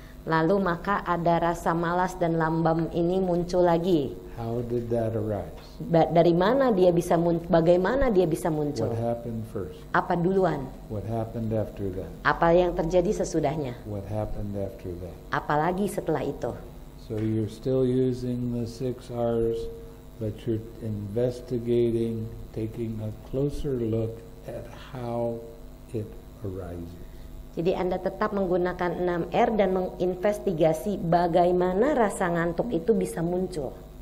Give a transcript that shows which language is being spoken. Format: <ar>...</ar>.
<id>Lalu maka ada rasa malas dan lambam ini muncul lagi.</id> <en>How did that arise?</en> <id>Bagaimana dia bisa muncul?</id> <en>What happened first?</en> <id>Apa duluan?</id> <en>What happened after that?</en> <id>Apa yang terjadi sesudahnya?</id> <en>What happened after that?</en> <id>Apalagi setelah itu?</id> <en>So you're still using the six R's, but you're investigating, taking a closer look at how it arises.</en> <id>Jadi Anda tetap menggunakan 6 R dan menginvestigasi bagaimana rasa ngantuk itu bisa muncul.</id>